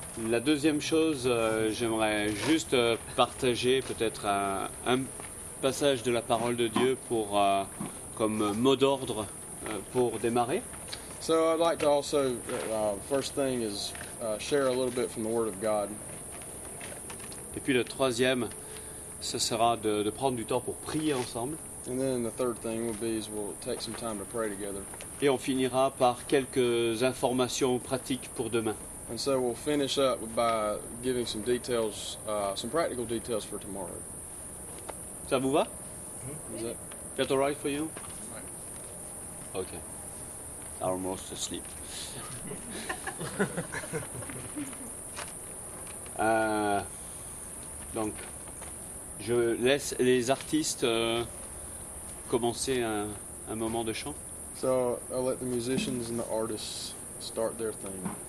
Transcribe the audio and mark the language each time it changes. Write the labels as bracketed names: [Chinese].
[French] La deuxième chose, j'aimerais juste partager peut-être un passage de la parole de Dieu pour comme mot d'ordre pour démarrer. [English] So I'd like to also first thing is share a little bit from the word of God. [French] Et puis le troisième, ce sera de prendre du temps pour prier ensemble. [English] And then the third thing will be is we'll take some time to pray together. [French] Et on finira par quelques informations pratiques pour demain. [English] And so we'll finish up by giving some details, some practical details for tomorrow. [French] Ça vous va? [English] Is that? Is that all right for you? Right. Okay. I'm almost asleep. [French] Donc, je laisse les artistes commencer un moment de chant. [English] So, I let the musicians and the artists start their thing.